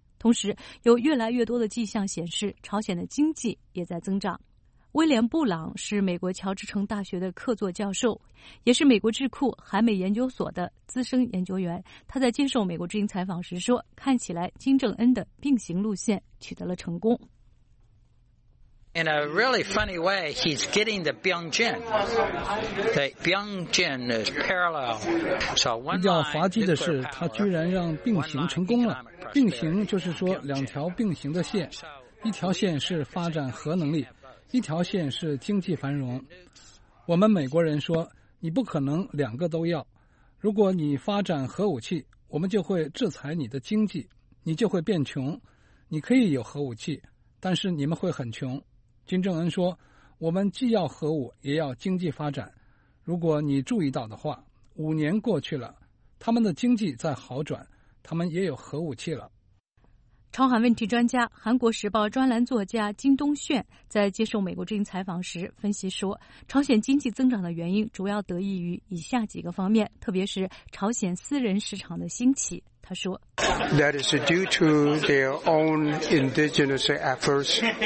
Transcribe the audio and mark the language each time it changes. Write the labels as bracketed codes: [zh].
[zh] 同时，有越来越多的迹象显示，朝鲜的经济也在增长。威廉·布朗是美国乔治城大学的客座教授，也是美国智库韩美研究所的资深研究员。他在接受美国之音采访时说，看起来金正恩的并行路线取得了成功。 [en] In a really funny way, he's getting the Byung-jin. The Byung-jin is parallel. [zh] 比较滑稽的是，他居然让并行成功了。并行就是说两条并行的线，一条线是发展核能力，一条线是经济繁荣。我们美国人说，你不可能两个都要。如果你发展核武器，我们就会制裁你的经济，你就会变穷。你可以有核武器，但是你们会很穷。金正恩说，我们既要核武，也要经济发展。如果你注意到的话，五年过去了，他们的经济在好转，他们也有核武器了。朝韩问题专家、韩国时报专栏作家金东炫在接受美国之音采访时分析说，朝鲜经济增长的原因主要得益于以下几个方面，特别是朝鲜私人市场的兴起。他说 [en] That is due to their own indigenous efforts.